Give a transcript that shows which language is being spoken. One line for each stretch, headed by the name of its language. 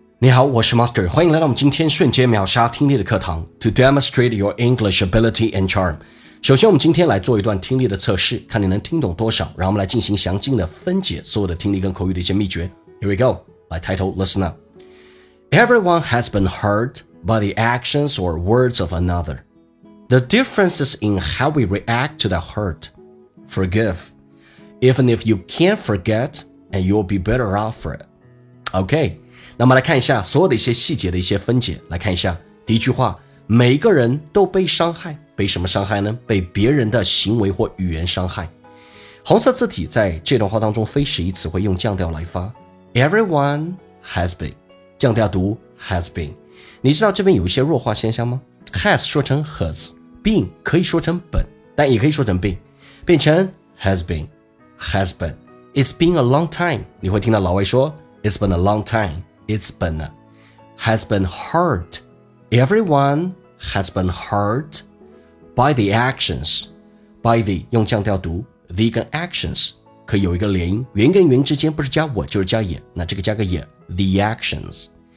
Chinese: 你好，我是 Master， 欢迎来到我们今天瞬间秒杀听力的课堂
English: To demonstrate your English ability and charm。
Chinese: 首先我们今天来做一段听力的测试，看你能听懂多少，然后我们来进行详尽的分解所有的听力跟口语的一些秘诀。
English: Here we go，
Chinese: 来抬头
English: listen up。 Everyone has been hurt by the actions or words of another. The difference is in how we react to that hurt. Forgive, even if you can't forget, and you'll be better off for it. Okay.
Chinese: 那么来看一下所有的一些细节的一些分解，来看一下第一句话，每个人都被伤害，被什么伤害呢？被别人的行为或语言伤害。红色字体在这段话当中非实义词汇用降调来发，
English: Everyone has been，
Chinese: 降调读 has been。你知道这边有一些弱化现象吗？ has 说成 has， been 可以说成本，但也可以说成 been， 变成 has been， has been。
English: It's been a long time，
Chinese: 你会听到老外说
English: It's been a long timeIt's been, has been hurt. Everyone has been hurt by the actions.
Chinese: By the, 用降调读 the 跟 actions 可以有一个连音，原跟原之间不是加我就是加也，那这个加个也 the actions.